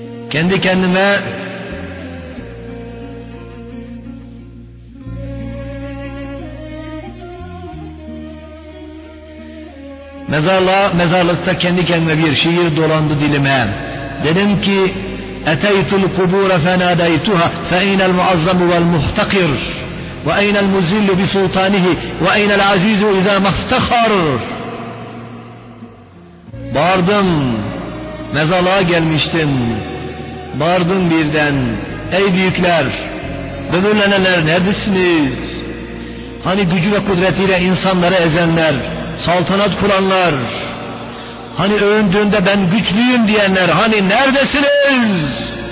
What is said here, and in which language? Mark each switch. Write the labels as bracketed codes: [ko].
[tr] Kendi kendime mezarlıkta kendi kendime bir şiir dolandı dilime. Dedim ki [ar] اَتَيْتُ الْقُبُورَ فَنَادَيْتُهَا فَاَيْنَ الْمُعَظَّمُ وَالْمُحْتَقِرُ وَاَيْنَ الْمُزِلُّ بِسُلْطَانِهِ وَاَيْنَ الْعَزِيزُ اِذَا مَخْتَخَرُ [tr] Bağırdım, mezarlığa gelmiştim. Bağırdım birden, ey büyükler, böbürlenenler neredesiniz? Hani gücü ve kudretiyle insanları ezenler, saltanat kuranlar, hani övündüğünde ben güçlüyüm diyenler, hani neredesiniz?